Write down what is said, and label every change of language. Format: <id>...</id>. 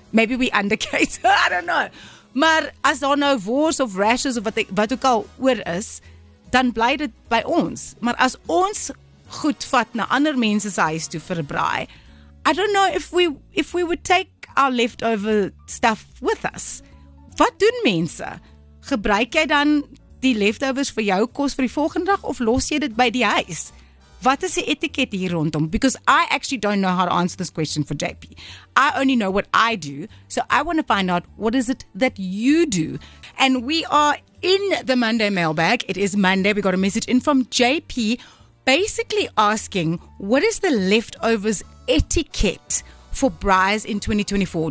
<en>Maybe we undercater, I don't know.</en> <af>Maar as daar nou wors of rashers of wat ook al oor is, dan bly dit by ons. Maar as ons goed vat na ander mense se huis toe vir 'n braai,</af> <en>I don't know if we would take our leftover stuff with us.</en> <af>Wat doen mense? Gebruik jy dan die leftovers vir jou kos vir die volgende dag of los jy dit by die huis? Wat is die etiket hier rondom?</af> <en>Because I actually don't know how to answer this question for JP. I only know what I do, so I want to find out what is it that you do. And we are in the Monday mailbag. It is Monday. We got a message in from JP basically asking, what is the leftovers etiquette for braais in 2024?</en>